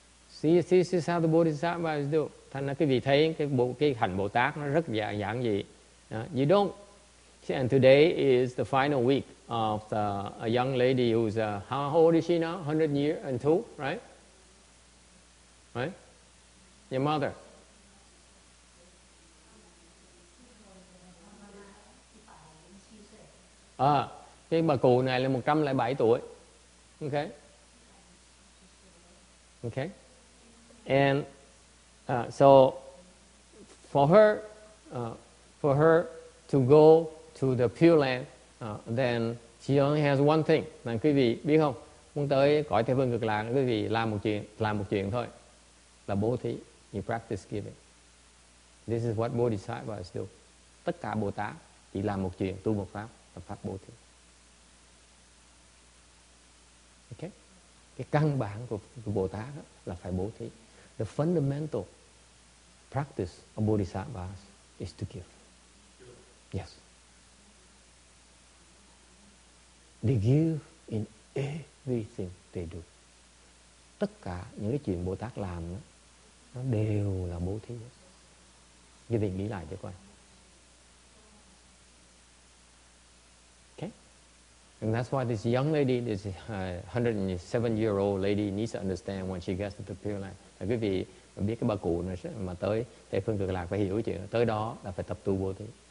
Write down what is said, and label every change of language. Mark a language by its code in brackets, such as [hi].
[en] See, see, see how the Bodhisattva is doing. [vi] Thành ra quý vị thấy cái hành Bồ Tát nó rất giản dị. [en] You don't. And today is the final week of the, a young lady who's how old is she now? 100 years and two, right? Right? Your mother. [vi] À, cái bà cụ này là 107 tuổi. Okay. Okay. [en] And so for her to go to the Pure Land, then she only has one thing. [vi] Mà quý vị biết không? Muốn tới cõi Tây Phương Cực Lạc, quý vị làm một chuyện thôi. Là bố thí, [en] you practice giving. This is what Bodhisattvas do. [vi] Tất cả Bồ Tát chỉ làm một chuyện, tu một pháp. Pháp bố thí. Okay. Cái căn bản của Bồ Tát đó là phải bố thí. [en] The fundamental practice of Bodhisattvas is to give. Yes. They give in everything they do. [vi] Tất cả những cái chuyện Bồ Tát làm đó, nó đều là bố thí. Như vậy nghĩ lại cho coi. [en] And that's why this young lady, this 107-year-old lady, needs to understand when she gets to the Pure Land. [vi] Quý vị biết cái bà cụ này mà tới Tây Phương Cực Lạc phải hiểu chuyện. Tới đó là phải tập tu bố thí.